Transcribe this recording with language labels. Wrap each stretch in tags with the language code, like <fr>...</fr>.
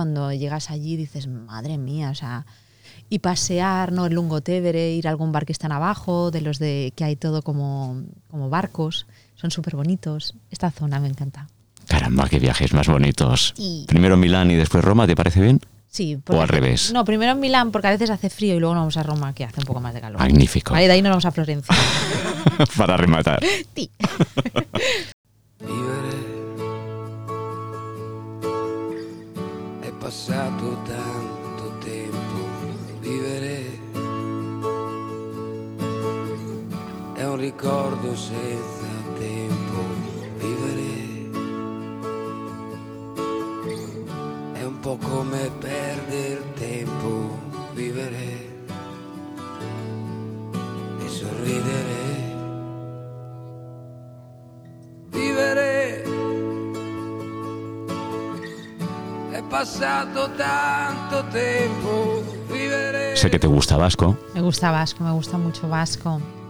<es>Cuando llegas allí dices, madre mía, o sea... Y pasear, ¿no? El Lungo Tevere, ir a algún bar que están abajo, de los de que hay todo como barcos. Son súper bonitos. Esta zona me encanta. Caramba, qué viajes más bonitos. Sí. Primero Milán y después Roma, ¿te parece bien? Sí. Porque, ¿o al revés? No, primero en Milán, porque a veces hace frío y luego nos vamos a Roma, que hace un poco más de calor. Magnífico. Ahí de ahí nos vamos a Florencia. Para rematar. Sí.</es> <it>Vivere è passato tanto tempo. Vivere è un ricordo senza tempo. Vivere è un po' come perdere tempo. Vivere e sorridere. Vivere è passato tanto tempo.</it> <es>Sé que te gusta Vasco. Me gusta Vasco, me gusta mucho Vasco.</es>